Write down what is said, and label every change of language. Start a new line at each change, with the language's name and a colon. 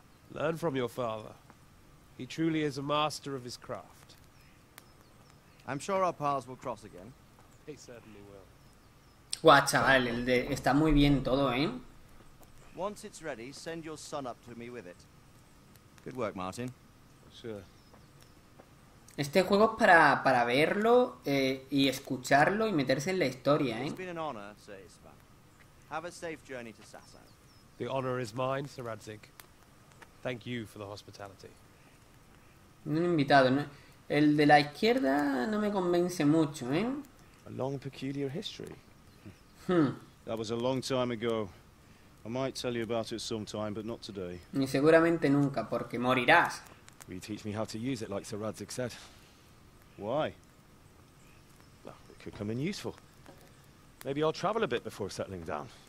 English: Learn from your father. He truly is a master of his craft. I'm sure our paths will cross again. He certainly will.
Spanish: Guau, chaval, está muy bien todo, ¿eh?
English: Once it's ready, send your son up to me with it. Good work, Martin. Sure.
Spanish: Este juego es para verlo y escucharlo y meterse en la historia, ¿eh?
English: It's been an honor, Sir Isvan. Have a safe journey to Sassan. The honor is mine, Sir Radzik. Thank you for the hospitality.
Spanish: Un invitado, ¿no? El de la izquierda no me convence mucho, ¿eh?
English: A long peculiar history. Hmm. That was a long time ago. I might tell you about it sometime, but not today.
Spanish: Ni seguramente nunca, porque morirás.
English: Will you teach me how to use it, like Sir Radzik said? Why? Well, it could come in useful. Maybe I'll travel a bit before settling down.